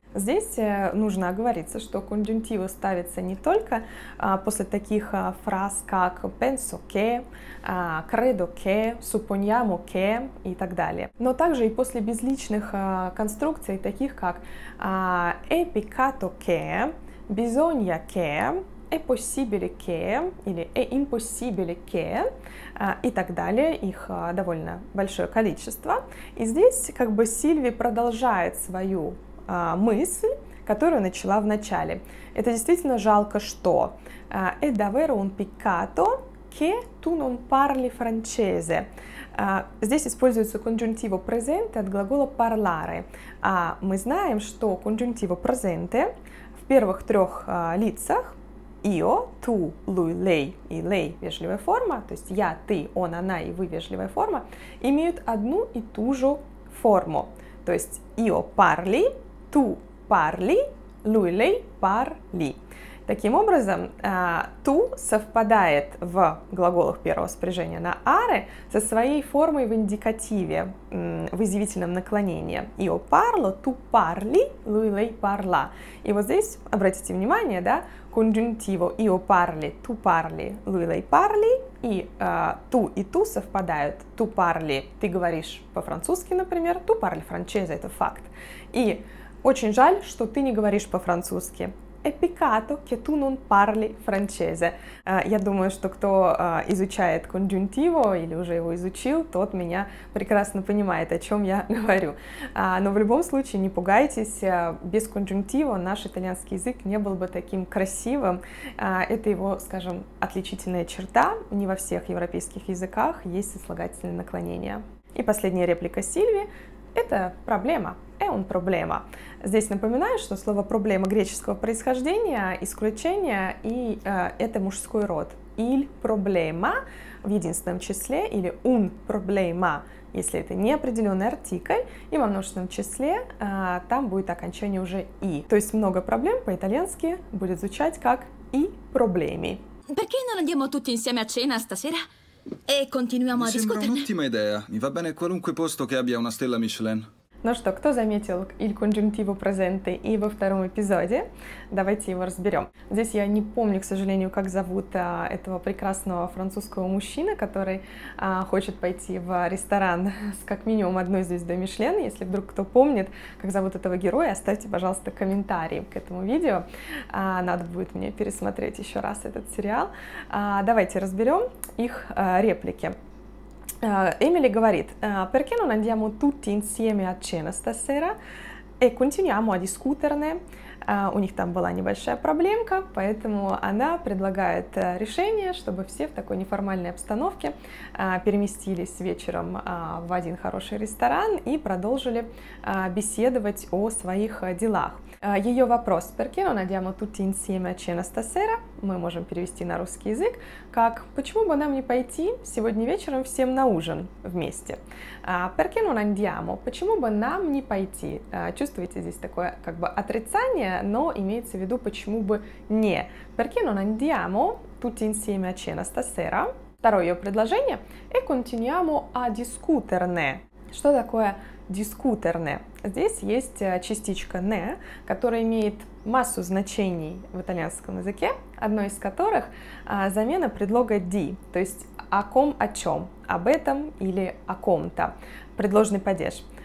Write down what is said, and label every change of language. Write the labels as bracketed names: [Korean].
[Russian] Здесь нужно оговориться, что конъюнктивы ставятся не только после таких фраз, как [Italian] «penso che», «credo che», «supponiamo che» [Russian] и так далее, но также и после безличных конструкций, таких как [Italian] «è peccato che», «bisogna che», «è possibile che» [Russian] или [Italian] «è impossibile che» [Russian] и так далее, их довольно большое количество. И здесь как бы Сильви продолжает свою мысль, которую начала в начале. Это действительно жалко, что [Italian] «è davvero un peccato che tu non parli francese». [Russian] Здесь используется конъюнктиво «presente» от глагола «parlare». А мы знаем, что конъюнктиво «presente» в первых трех лицах «io», «tu», «lui», «lei» и «lei» — вежливая форма, то есть «я», «ты», «он», «она» и «вы» — вежливая форма, имеют одну и ту же форму, то есть [Italian] «io parli», «tu parli», «lui lei parli». [Russian] Таким образом, «tu» совпадает в глаголах первого спряжения на «are» со своей формой в индикативе, в изъявительном наклонении. [Italian] «Io parlo», «tu parli», «lui lei parla». [Russian] И вот здесь, обратите внимание, да, конъюнктиво [Italian] «io parli», «tu parli», «lui lei parli», [Russian] и «tu» и «tu» совпадают. [Italian] «Tu parli» [Russian] — ты говоришь по-французски, например, [Italian] «tu parli francese» [Russian] — это факт. И очень жаль, что ты не говоришь по-французски. [Italian] È peccato che tu non parli francese. [Russian] Я думаю, что кто изучает конъюнктиво или уже его изучил, тот меня прекрасно понимает, о чем я говорю. Но в любом случае, не пугайтесь, без конъюнктиво наш итальянский язык не был бы таким красивым. Это его, скажем, отличительная черта. Не во всех европейских языках есть сослагательные наклонения. И последняя реплика Сильви. Это проблема. [Italian] «È un problema». [Russian] Здесь напоминаю, что слово «проблема» греческого происхождения, исключение, и это мужской род. [Italian] «Il problema» [Russian] в единственном числе, или [Italian] «un problema», [Russian] если это неопределенный артикль, и во множественном числе там будет окончание уже «i». То есть много проблем по-итальянски будет звучать как [Italian] «i problemi». Perché non andiamo tutti insieme a cena stasera? E continuiamo a discuterne. Mi sembra un'ottima idea. Mi va bene qualunque posto che abbia una stella Michelin. [Russian] Ну что, кто заметил il конъюнктиво presente и во втором эпизоде? Давайте его разберем. Здесь я не помню, к сожалению, как зовут этого прекрасного французского мужчины, который хочет пойти в ресторан с как минимум одной звездой Мишлен. Если вдруг кто помнит, как зовут этого героя, оставьте, пожалуйста, комментарий к этому видео. Надо будет мне пересмотреть еще раз этот сериал. Давайте разберем их реплики. Эмили говорит, [Italian] perché non andiamo tutti insieme a cena stasera e continuiamo a discuterne. [Russian] У них там была небольшая проблемка, поэтому она предлагает решение, чтобы все в такой неформальной обстановке переместились вечером в один хороший ресторан и продолжили беседовать о своих делах. Ее вопрос, [Italian] perché non andiamo tutti insieme a cena stasera, [Russian] мы можем перевести на русский язык, как почему бы нам не пойти сегодня вечером всем на ужин вместе? [Italian] Perché non andiamo, [Russian] почему бы нам не пойти? Чувствуете здесь такое как бы отрицание, но имеется в виду, почему бы не. [Italian] Perché non andiamo tutti insieme a cena stasera. [Russian] Второе предложение, [Italian] e continuiamo a discuterne. [Russian] Что такое discuterne? Здесь есть частичка «ne», которая имеет массу значений в итальянском языке, одно из которых замена предлога «di», то есть «о ком», «о чем», «об этом» или «о ком-то», предложный падеж.